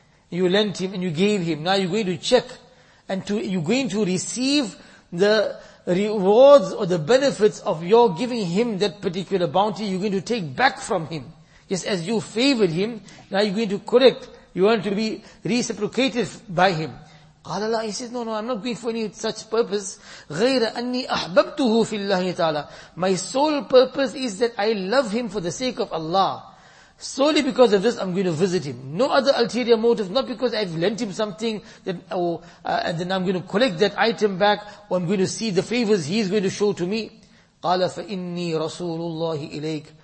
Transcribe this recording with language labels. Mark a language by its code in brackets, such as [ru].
[en] You lent him and you gave him. Now you're going to check and you're going to receive the rewards or the benefits of your giving him that particular bounty, you're going to take back from him. Yes, as you favored him, now you're going to correct, you want to be reciprocated by him. [ar] قال الله, [en] he says, no, I'm not going for any such purpose. [ar] غير أني أحببته في الله تعالى. [en] My sole purpose is that I love him for the sake of Allah. Solely because of this, I'm going to visit him. No other ulterior motive, not because I've lent him something, and then I'm going to collect that item back, or I'm going to see the favors he's going to show to me. [ar] قَالَ فَإِنِّي رَسُولُ اللَّهِ إِلَيْكَ.